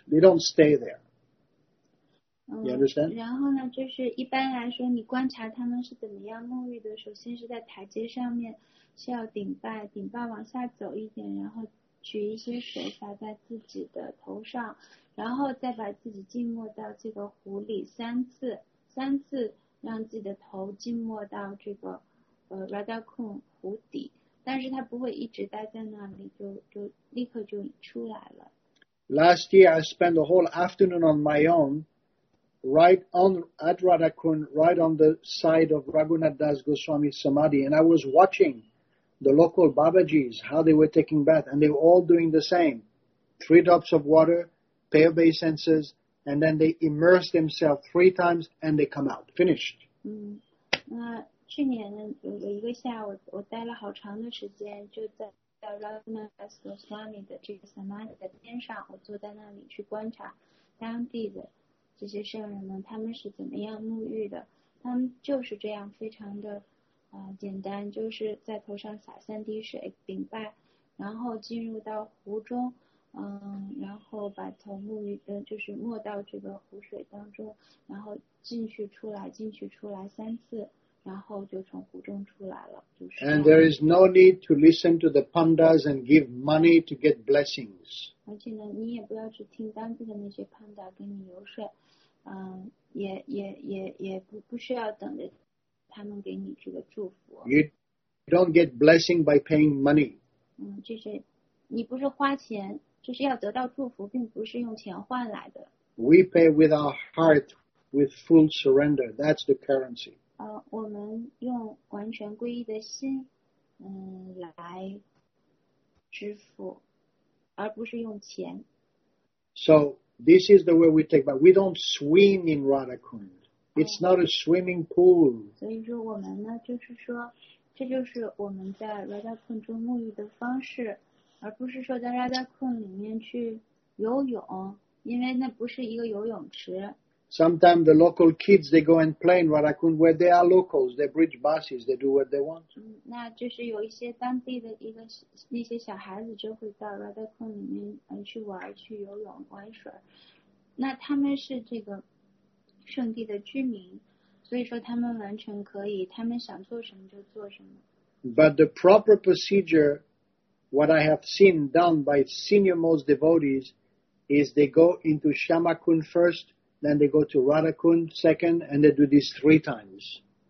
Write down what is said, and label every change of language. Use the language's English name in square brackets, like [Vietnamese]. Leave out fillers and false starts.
[English] They don't stay there. You understand? [Chinese] 然后呢，就是一般来说，你观察他们是怎么样沐浴的，首先是在台阶上面。是要顶拜往下走一点，然后取一些水洒在自己的头上，然后再把自己浸没到这个湖里三次，让自己的头浸没到这个Radha Kund湖底，但是他不会一直待在那里，就立刻就出来了。 [English] Last year I spent the whole afternoon on my own, right on at Radha Kund, right on the side of Raghunath Das Goswami Samadhi, and I was watching. The local Babaji's, how they were taking bath, and they were all doing the same. 3 drops of water, pay obeisances, and then they immerse themselves 3 times and they come out. Finished. [Chinese] 那去年有一个下午，我待了好长的时间，就在 Raghunath Das Goswami 的这个 Samadhi 的边上，我坐在那里去观察当地的这些圣人们，他们是怎么样沐浴的。他们就是这样，非常的。简单，就是在头上洒3滴水顶拜，然后进入到湖中，然后把头沐浴，就是没到这个湖水当中，然后进去出来3次，然后就从湖中出来了，就是。 [English] And there is no need to listen to the pandas and give money to get blessings. [Chinese] 而且呢，你也不要去听当地的那些 panda 跟你游说，也不需要等着。 [English] You don't get blessing by paying money. [Chinese] 就是你不是花钱，就是要得到祝福，并不是用钱换来的。 [English] We pay with our heart, with full surrender. That's the currency. [Chinese] 我们用完全皈依的心，来支付，而不是用钱。 [English] So this is the way we take, but we don't swim in Radha Kund. It's not a swimming pool. [Chinese] 所以说我们呢，就是说，这就是我们在 Radha Kund 中沐浴的方式，而不是说在 Radha Kund 里面去游泳，因为那不是一个游泳池。 [English] Sometimes the local kids they go and play in Radha Kund where they are locals, they bridge buses, they do what they want. [Chinese] 那就是有一些当地的一个那些小孩子就会到 Radha Kund 里面去玩，去游泳玩水。那他们是这个。圣地的居民，所以说他们完全可以，他们想做什么就做什么。 [English] But the proper procedure, what I have seen done by senior most devotees, is they go into Shyama Kund first, then they go to Radha Kund second, and they do this 3 times.